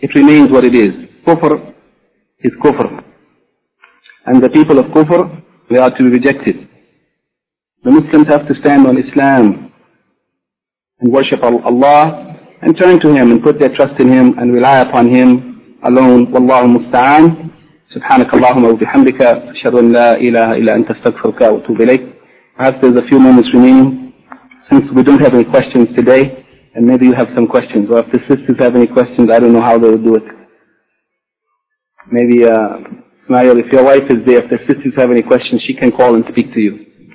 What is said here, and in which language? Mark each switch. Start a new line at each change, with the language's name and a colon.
English: It remains what it is. Kufr is kufr. And the people of kufr, they are to be rejected. The Muslims have to stand on Islam and worship Allah and turn to Him and put their trust in Him and rely upon Him alone. Wallahu musta'an.
Arabic: سبحانك اللهم وبحمدك أشهد أن لا إله إلا أنت أستغفرك وأتوب إليك.
English: Perhaps there's a few moments remaining, since we don't have any questions today, and maybe you have some questions, or if the sisters have any questions, I don't know how they would do it. Maybe Ismail, if your wife is there, if the sisters have any questions, she can call and speak to you.